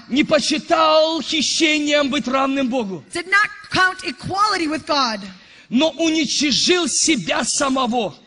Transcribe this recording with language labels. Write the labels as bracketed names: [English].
[Russian] не почитал хищением быть равным Богу. [English] Did not count equality with God. [Russian] Но уничижил себя самого.